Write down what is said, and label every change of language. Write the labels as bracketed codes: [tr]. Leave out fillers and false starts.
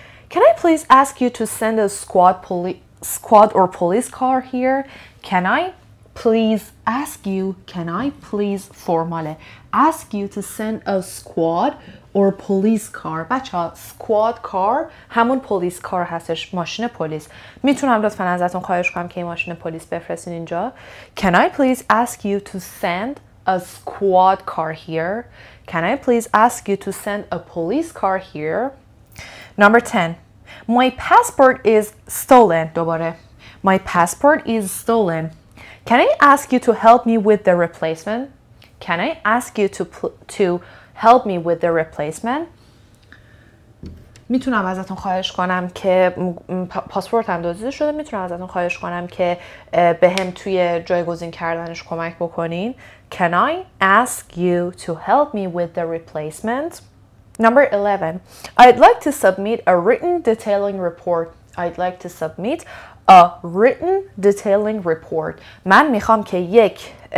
[en] Can I please ask you to send a squad or police car here Can I please ask you Can I please formale ask you to send a squad or police car بچه squad car همون police car [fa] هستش ماشین پلیس میتونم لطفا ازتون خواهش کنم که این ماشین پلیس بفرستین اینجا [en] Can I please ask you to send a squad car here Can I please ask you to send a police car here Number 10 My passport is stolen دوباره My passport is stolen Can I ask you to help me with the replacement Can I ask you to help me with the replacement? [fa] میتونم ازتون خواهش کنم که پاسپورتم دزدیده شده میتونم ازتون خواهش کنم که بهم توی جایگزین کردنش کمک بکنین. [en] Can I ask you to help me with the replacement? Number 11. I'd like to submit a written detailing report. I'd like to submit a written detailing report. [fa] من میخوام که یک